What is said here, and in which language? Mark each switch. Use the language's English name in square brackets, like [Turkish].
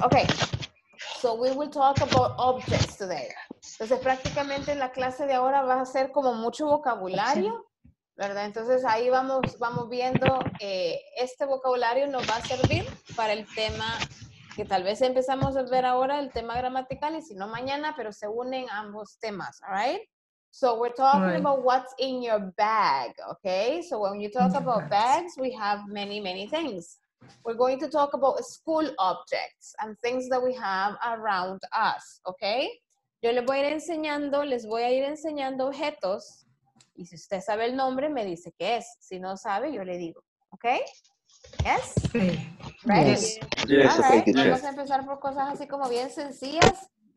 [English] Okay, so we will talk about objects today. [Spanish] Entonces, prácticamente la clase de ahora va a ser como mucho vocabulario, ¿verdad? Entonces, ahí vamos viendo este vocabulario nos va a servir para el tema. Que tal vez empezamos a ver ahora el tema gramatical y si no mañana, pero se unen ambos temas, [English] all right? So we're talking right. About what's in your bag, okay? So when you talk about bags, we have many, many things. We're going to talk about school objects and things that we have around us, okay? [Spanish] Yo les voy a ir enseñando objetos y si usted sabe el nombre, me dice qué es. Si no sabe, yo le digo, okay? [English] Yes? Ready? Yes. Yes. All right. [Spanish] Vamos a empezar por cosas así como bien sencillas.